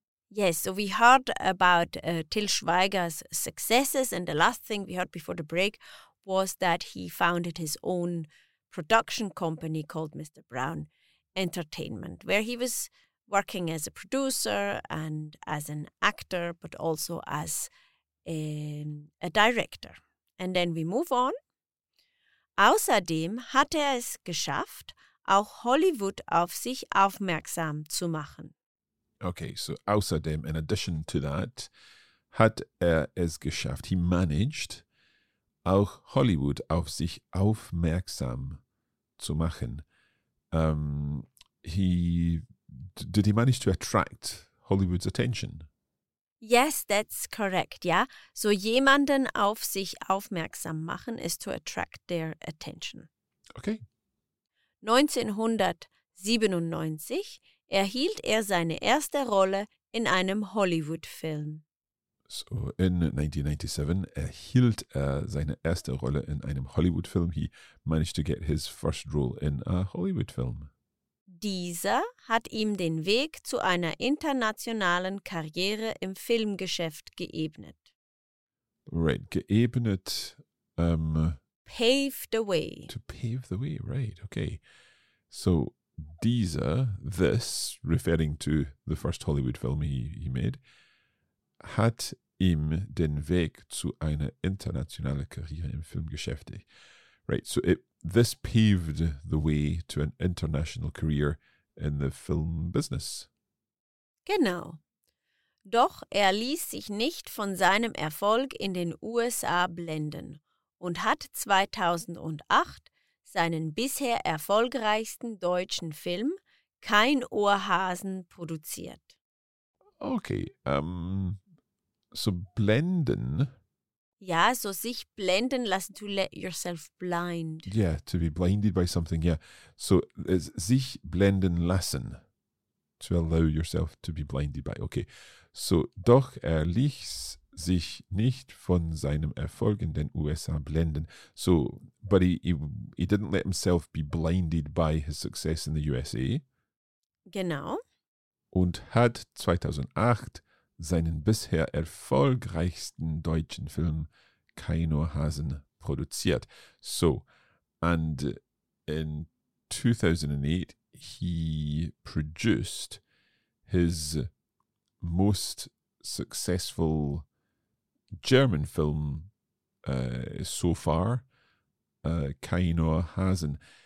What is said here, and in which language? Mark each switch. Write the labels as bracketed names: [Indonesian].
[English] Yes, so we heard about Til Schweiger's successes, and the last thing we heard before the break was that he founded his own production company called Mr. Brown Entertainment, where he was working as a producer and as an actor, but also as a director. And then we move on. [German] Außerdem hatte er es geschafft, auch Hollywood auf sich aufmerksam zu machen. [English] Okay, so [German] außerdem, [English] in addition to that, [German] hat er es geschafft, [English] he managed, [German] auch Hollywood auf sich aufmerksam zu machen. [English] Did he manage to attract Hollywood's attention? Yes, that's correct, [German] ja. [English] So [German] jemanden auf sich aufmerksam machen [English] is to attract their attention. Okay. [German] 1997 erhielt er seine erste Rolle in einem Hollywood-Film. [English] So in 1997 [German] erhielt er seine erste Rolle in einem Hollywood-Film. [English] He managed to get his first role in a Hollywood-Film. [German] Dieser hat ihm den Weg zu einer internationalen Karriere im Filmgeschäft geebnet. [English] Right, geebnet. Pave the way. To pave the way, right, okay. So, dieser, this, referring to the first Hollywood film he made, [German] hat ihm den Weg zu einer internationalen Karriere im Filmgeschäft. [English] Right, so this paved the way to an international career in the film business. [German] Genau. Doch er ließ sich nicht von seinem Erfolg in den USA blenden und hat 2008 seinen bisher erfolgreichsten deutschen Film Kein Ohrhasen produziert. [English] Okay, so blenden. Ja, so [German] sich blenden lassen, [English] to let yourself blind. Yeah, to be blinded by something, yeah. So, [German] sich blenden lassen, [English] to allow yourself to be blinded by, okay. [German] So, doch er ließ sich nicht von seinem Erfolg in den USA blenden. [English] So, but he didn't let himself be blinded by his success in the USA. [German] Genau. Und hat 2008 seinen bisher erfolgreichsten deutschen Film Kein Ohrhasen produziert. [English] So, and in 2008, he produced his most successful German film so far, Keino Hasen.